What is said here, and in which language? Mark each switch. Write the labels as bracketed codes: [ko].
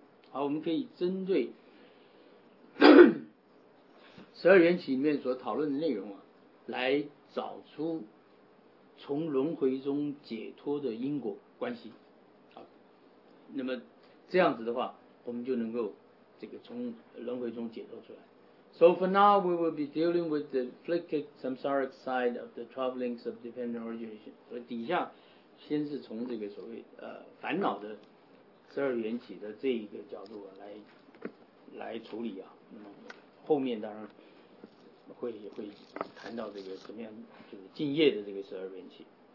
[zh] 好，我们可以针对十二缘起里面所讨论的内容啊，来找出从轮回中解脱的因果关系。好，那么这样子的话，我们就能够这个从轮回中解脱出来。 [en] So for now, we will be dealing with the afflicted samsaric side of the twelve links of dependent origination. [zh] 所以底下先是从这个所谓烦恼的十二缘起的这一个角度来处理啊。那么后面当然会谈到这个什么样，就是净业的这个十二缘起。